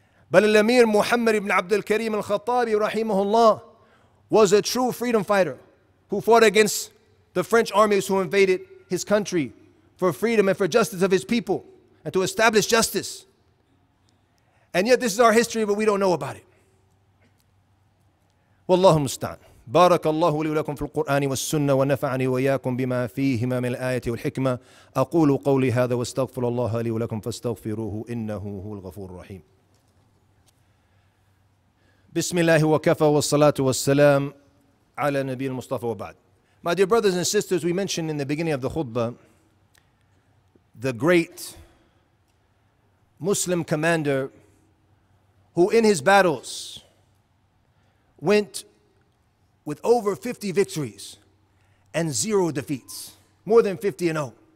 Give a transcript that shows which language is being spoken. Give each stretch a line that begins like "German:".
English: But Al-Amir Muhammad ibn Abdul Karim al-Khattabi rahimahullah was a true freedom fighter who fought against the French armies who invaded his country for freedom and for justice of his people and to establish justice. And yet this is our history, but we don't know about it. Wallahu musta'an.
Arabic: بارك الله لي ولكم في القرآن والسنة ونفعني وإياكم بما فيهما من الآية والحكمة أقول قولي هذا واستغفر الله لي ولكم فاستغفروه إنه هو الغفور الرحيم بسم الله وكفى والصلاة والسلام على نبي المصطفى وبعد.
English: My dear brothers and sisters, we mentioned in the beginning of the khutbah the great Muslim commander who in his battles went with over 50 victories and zero defeats, more than 50-0.